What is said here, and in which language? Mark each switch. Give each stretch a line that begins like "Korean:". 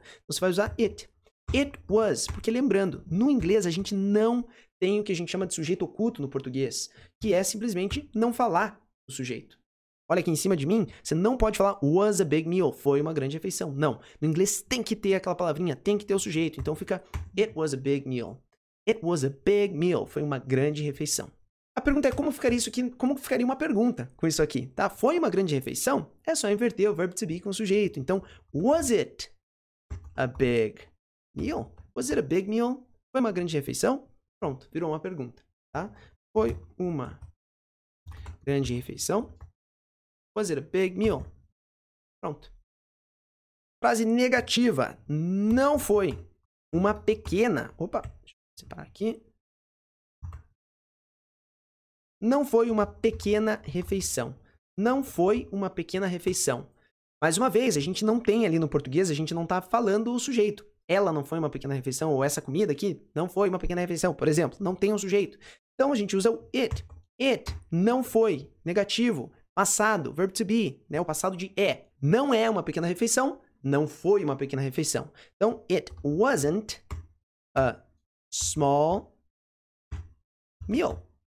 Portuguese: Então, você vai usar it.
English: It was.
Portuguese: Porque lembrando, no inglês a gente não tem o que a gente chama de sujeito oculto no português, que é simplesmente não falar do sujeito. Olha aqui em cima de mim, você não pode falar
English: was a big meal,
Portuguese: foi uma grande refeição. Não. No inglês tem que ter aquela palavrinha, tem que ter o sujeito. Então fica
English: it was a big meal. It was a big meal.
Portuguese: Foi uma grande refeição. A pergunta é como ficaria isso aqui, como ficaria uma pergunta com isso aqui, tá? Foi uma grande refeição? É só inverter o verbo to be com o sujeito. Então,
English: was it a big meal?
Portuguese: Was it a big meal? Foi uma grande refeição? Pronto, virou uma pergunta, tá? Foi uma grande refeição?
English: Was it a big meal?
Portuguese: Pronto. Frase negativa. Não foi uma pequena... Opa, deixa eu separar aqui. Não foi uma pequena refeição. Não foi uma pequena refeição. Mais uma vez, a gente não tem ali no português, a gente não está falando o sujeito. Ela não foi uma pequena refeição, ou essa comida aqui não foi uma pequena refeição, por exemplo. Não tem um sujeito. Então, a gente usa o it. It não foi. Negativo. Passado. Verb to be. Né? O passado de é. Não é uma pequena refeição. Não foi uma pequena refeição. Então,
English: it wasn't a small meal.